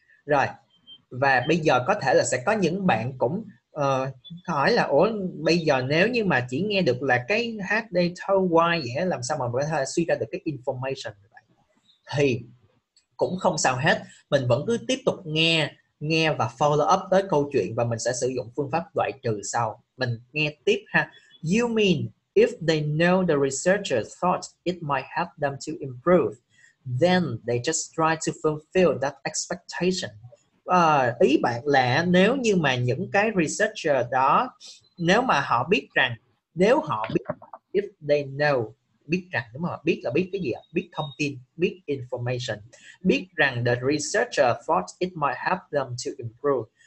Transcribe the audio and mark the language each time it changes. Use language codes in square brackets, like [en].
[vi] Rồi, và bây giờ có thể là sẽ có những bạn cũng hỏi là ủa bây giờ nếu như mà chỉ nghe được là cái had they told why vậy, làm sao mà mình có thể suy ra được cái information vậy? Thì cũng không sao hết, mình vẫn cứ tiếp tục nghe và follow up tới câu chuyện, và mình sẽ sử dụng phương pháp loại trừ sau. Mình nghe tiếp ha. [en] You mean if they know the researchers thought it might help them to improve, then they just try to fulfill that expectation. [vi] Ý bạn là nếu như mà những cái researcher đó, nếu mà họ biết rằng, if they know, biết rằng, đúng không? Biết là biết cái gì ạ? Biết thông tin, biết information. Biết rằng the researcher thought it might help them to improve.